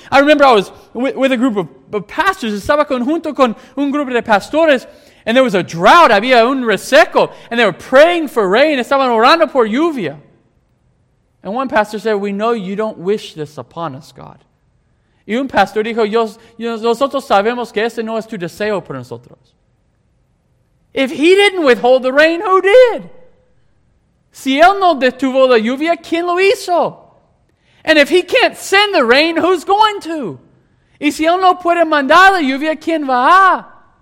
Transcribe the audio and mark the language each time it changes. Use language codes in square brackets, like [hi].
[en] I remember I was with a group of pastors. [es] Estaba junto con un grupo de pastores. [en] And there was a drought. [es] Había un reseco. [en] And they were praying for rain. [es] Estaban orando por lluvia. [en] And one pastor said, we know you don't wish this upon us, God. [es] Y un pastor dijo, nosotros sabemos que ese no es tu deseo por nosotros. [en] If He didn't withhold the rain, who did? [es] Si Él no detuvo la lluvia, ¿quién lo hizo? [en] And if He can't send the rain, who's going to? [es] Y si Él no puede mandar la lluvia, ¿quién va?